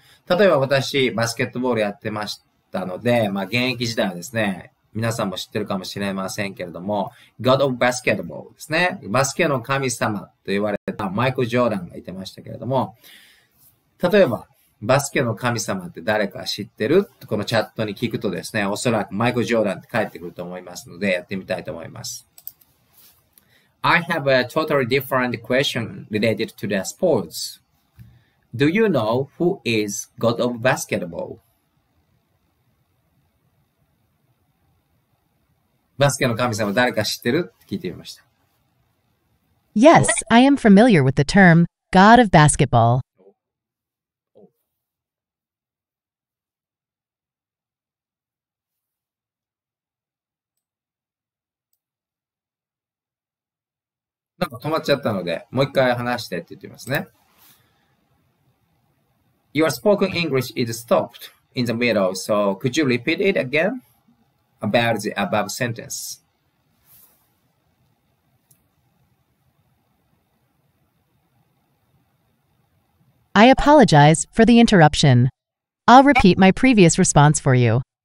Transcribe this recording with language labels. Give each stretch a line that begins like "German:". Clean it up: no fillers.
Japanese: 例えば私、バスケットボールやってましたので、まあ現役時代はですね、皆さんも知ってるかもしれませんけれども、
English: God of Basketball
Japanese: ですね、バスケの神様と言われたマイク・ジョーダンがいてましたけれども、例えば、バスケの神様って誰か知ってる？このチャットに聞くとですね、おそらくマイク・ジョーダンって返ってくると思いますので、やってみたいと思います。
English: I have a totally different question related to the sports. Do you know who is God of Basketball?
Japanese: バスケの神様誰か知ってる？って聞いてみました。
English: Yes, I am familiar with the term God of Basketball.
Japanese: なんか止まっちゃったので、もう一回話してって言ってますね。
English: Your spoken English is stopped in the middle, so could you repeat it again about the above sentence? I apologize for the interruption. I'll repeat my previous response for you.